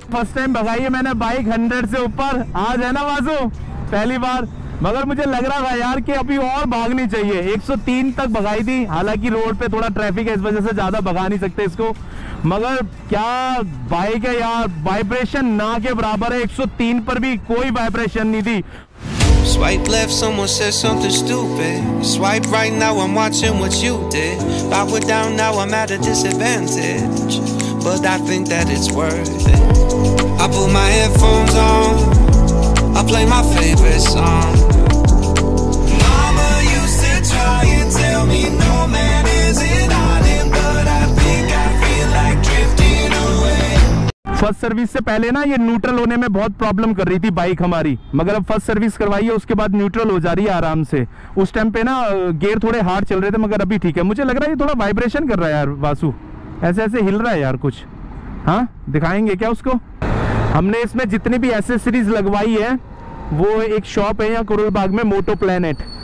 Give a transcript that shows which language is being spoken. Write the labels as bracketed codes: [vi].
[hi] First time भगाई है मैंने बाइक 100 से ऊपर आज, है ना वासु, पहली बार। मगर मुझे लग रहा था यार कि अभी और भागनी चाहिए, 103 तक भगाई थी, हालांकि रोड पे थोड़ा ट्रैफिक है इस वजह से ज्यादा भगा नहीं सकते इसको, मगर क्या बाइक है यार, वाइब्रेशन ना के बराबर है, 103 पर भी कोई वाइब्रेशन नहीं थी। [en] Swipe left, someone says something stupid. Swipe right now, I'm watching what you did. I went down, now I'm at a disadvantage. But I think that it's worth it. I put my headphones on. I play my favorite song. Mama used to try and tell me no man is an island, but I think I feel like drifting away. [hi] First service से पहले ना ये neutral होने में बहुत problem कर रही थी बाइक हमारी, मगर अब फर्स्ट सर्विस करवाई है उसके बाद न्यूट्रल हो जा रही है आराम से। उस टाइम पे ना गियर थोड़े हार्ड चल रहे थे, मगर अभी ठीक है। मुझे लग रहा है ये थोड़ा वाइब्रेशन कर रहा है यार वासु, ऐसे ऐसे हिल रहा है यार कुछ। हाँ दिखाएंगे क्या उसको, हमने इसमें जितनी भी एसेसरीज लगवाई है वो एक शॉप है यहाँ करोल बाग में, मोटो प्लेनेट।